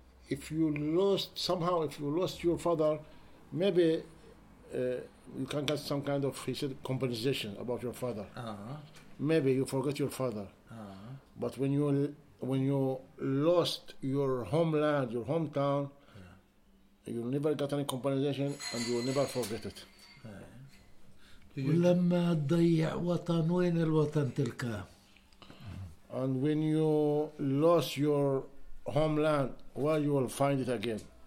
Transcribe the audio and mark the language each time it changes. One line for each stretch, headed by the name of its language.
English: If you lost somehow, if you lost your father, maybe you can get some kind of, he said, compensation about your father. Maybe you forget your father. But when you lost your homeland, your hometown, you never get any compensation and you will never forget it.
Arabic: ولما تضيع وطن وين الوطن تلقاه؟
English: And when you lost your homeland, where you will find it again?